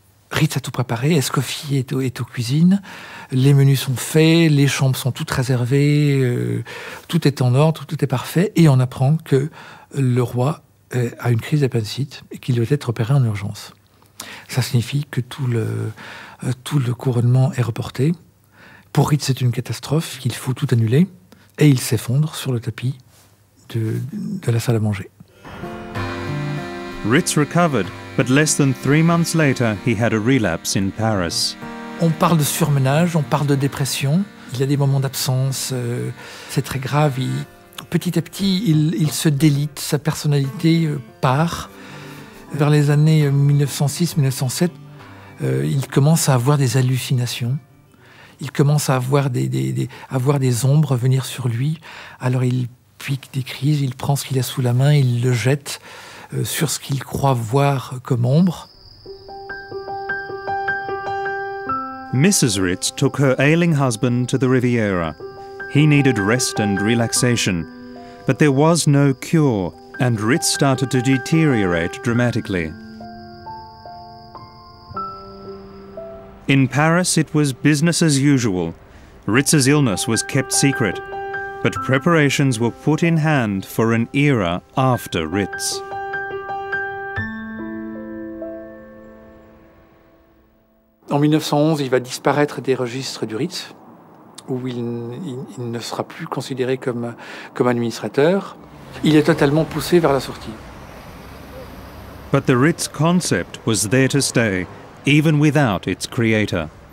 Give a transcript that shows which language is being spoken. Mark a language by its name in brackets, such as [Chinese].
[French] Ritz a tout préparé, Escoffier est aux cuisines, les menus sont faits, les chambres sont toutes réservées, tout est en ordre, tout est parfait, et on apprend que le roi a une crise d'appendicite et qu'il doit être opéré en urgence. Ça signifie que tout le couronnement est reporté. Pour Ritz, c'est une catastrophe, qu'il faut tout annuler, et il s'effondre sur le tapis de la salle à manger. [English] Ritz recovered. But less than 3 months later, he had a relapse in Paris. [French] On parle de surmenage, on parle de dépression. Il a des moments d'absence, c'est très grave. Petit à petit, il se délite, sa personnalité part. Vers les années 1906-1907, il commence à avoir des hallucinations. Il commence à avoir des ombres venir sur lui. Alors il pique des crises, il prend ce qu'il a sous la main, il le jette sur ce qu'il croit voir comme ombre. [English] Mrs. Ritz took her ailing husband to the Riviera. He needed rest and relaxation. But there was no cure, and Ritz started to deteriorate dramatically. In Paris, it was business as usual. Ritz's illness was kept secret, but preparations were put in hand for an era after Ritz. [French] En 1911, il va disparaître des registres du Ritz, où il ne sera plus considéré comme administrateur. Il est totalement poussé vers la sortie. [English] But the Ritz concept was there to stay, even without its creator.